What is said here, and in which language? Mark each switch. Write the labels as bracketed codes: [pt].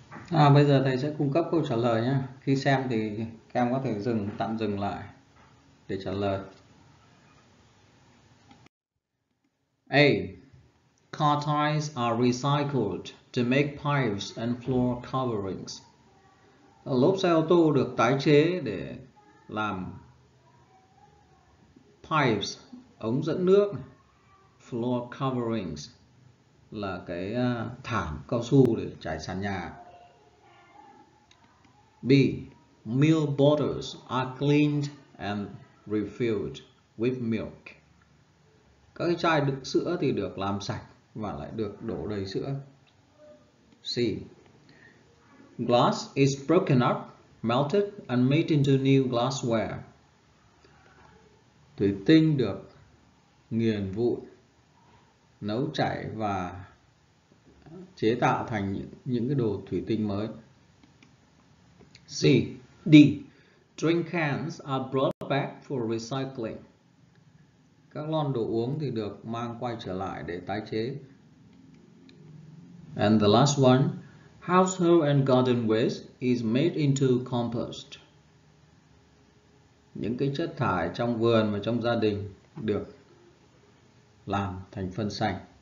[vi] À, bây giờ thầy sẽ cung cấp câu trả lời nhé. Khi xem thì các em có thể tạm dừng lại để trả lời. A. [en] Car tires are recycled to make pipes and floor coverings. [vi] Lốp xe ô tô được tái chế để làm pipes, ống dẫn nước, [en] floor coverings [vi] là cái thảm cao su để trải sàn nhà. B. [en] Milk bottles are cleaned and refilled with milk. [vi] Các cái chai đựng sữa thì được làm sạch và lại được đổ đầy sữa. C. [en] Glass is broken up, melted and made into new glassware. [vi] Thủy tinh được nghiền vụn, nấu chảy và chế tạo thành những cái đồ thủy tinh mới. C. D. [en] Drink cans are brought back for recycling. [vi] Các lon đồ uống thì được mang quay trở lại để tái chế. [en] And the last one, household and garden waste is made into compost. [vi] Những cái chất thải trong vườn và trong gia đình được làm thành phân xanh.